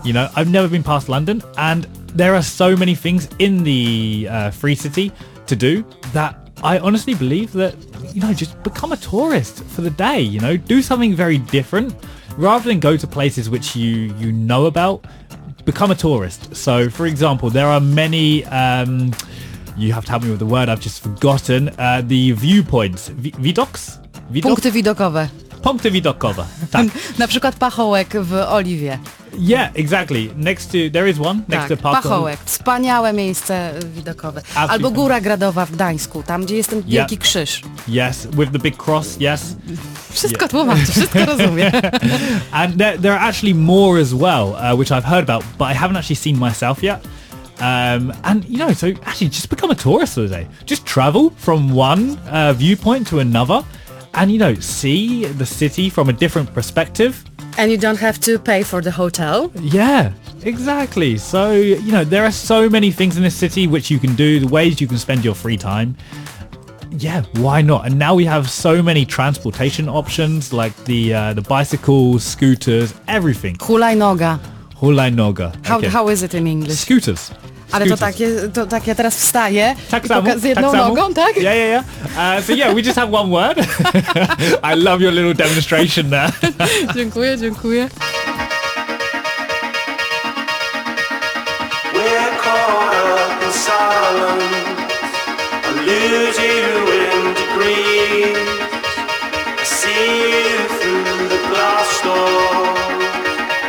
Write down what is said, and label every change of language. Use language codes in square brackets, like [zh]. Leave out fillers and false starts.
[en] You know, I've never been past London, and there are so many things in the Free City to do that I honestly believe that, you know, just become a tourist for the day, you know, do something very different. rather than go to places which you know about, become a tourist. So, for example, there are many, you have to help me with the word, I've just forgotten, the viewpoints. [pl] Widoks? Punkty widokowe. Punkty widokowe, tak. Na przykład pachołek w Oliwie. [en] Yeah, exactly. Next to, there is one, next to Park. [pl] Pachołek, wspaniałe miejsce widokowe. [en] Absolutely. [pl] Albo Góra Gradowa w Gdańsku, tam gdzie jest ten wielki yeah. krzyż. [en] Yes, with the big cross, yes. [pl] Wszystko yeah. tłumaczę, wszystko rozumiem. [en] And there are actually more as well, which I've heard about, but I haven't actually seen myself yet. And you know, so actually just become a tourist for the day. Just travel from one viewpoint to another. And you know, see the city from a different perspective. And you don't have to pay for the hotel. Yeah, exactly. So, you know, there are so many things in this city which you can do, the ways you can spend your free time. Yeah, why not? And now we have so many transportation options, like the bicycles, scooters, everything. [pl] Hulajnoga. Hulajnoga. [en] How is it in English? Scooters. [pl] Ale to tak, ja teraz wstaję tak samo, z jedną tak nogą, tak? [en] Yeah, yeah, yeah. So yeah, we just have one word. I love your little demonstration there. [pl] Dziękuję, dziękuję. [en] We're caught up in silence. I lose you in degrees. I see you through the glass door.